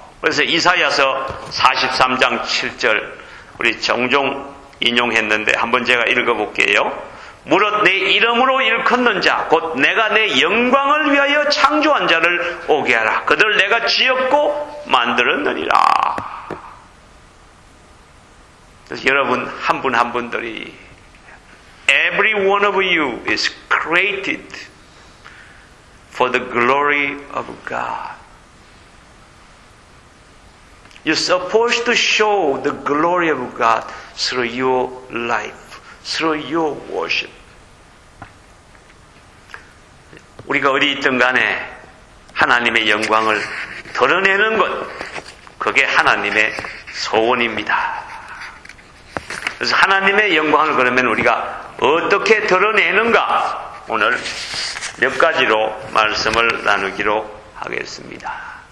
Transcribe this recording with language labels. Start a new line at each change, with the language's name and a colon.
Korean: 그래서 이사야서 43장 7절 우리 종종 인용했는데 한번 제가 읽어볼게요. 무릇 내 이름으로 일컫는 자 곧 내가 내 영광을 위하여 창조한 자를 오게 하라. 그들 내가 지었고 만들었느니라. 그래서 여러분 한 분 한 분들이
English: Every one of you is created for the glory of God. You're supposed to show the glory of God through your life, through your worship.
Korean: 우리가 어디 있든 간에 하나님의 영광을 드러내는 것, 그게 하나님의 소원입니다. 그래서 하나님의 영광을 그러면 우리가 어떻게 드러내는가? 오늘 몇 가지로 말씀을 나누기로 하겠습니다.